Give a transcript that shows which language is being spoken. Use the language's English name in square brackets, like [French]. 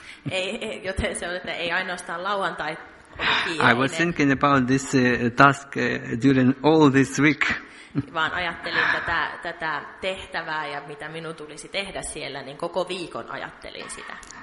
[Finnish] Ei, joten se on, että ei ainoastaan lauantai. [English] I was thinking about this task during all this week. [Finnish] Vaan ajattelin tätä tehtävää ja mitä minun tulisi tehdä siellä, niin koko viikon ajattelin sitä.